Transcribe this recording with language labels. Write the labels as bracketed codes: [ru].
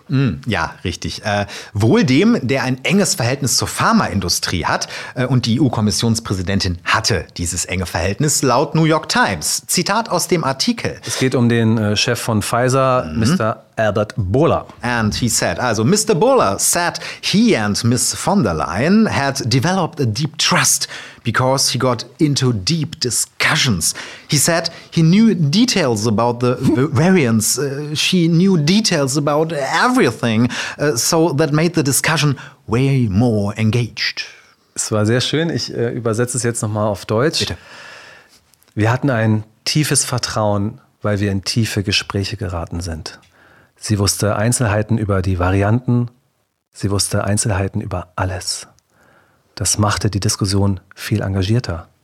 [de] Mm, ja, richtig. Wohl dem, der ein enges Verhältnis zur Pharmaindustrie hat. Und die EU-Kommissionspräsidentin hatte dieses enge Verhältnis, laut New York Times. Zitat aus dem Artikel. Es geht um den Chef von Pfizer, Mr. Albert Bourla. [en] And he said, also Mr. Bourla said he and Ms. von der Leyen had developed a deep trust because he got into deep discussions. He said he knew details about the variants. She knew details about everything. So that made the discussion way more engaged. [de] Es war sehr schön. Ich übersetze es jetzt nochmal auf Deutsch. Bitte. Wir hatten ein tiefes Vertrauen, weil wir in tiefe Gespräche geraten sind. Sie wusste Einzelheiten über die Varianten. Sie wusste Einzelheiten über alles. Das machte die Diskussion viel engagierter.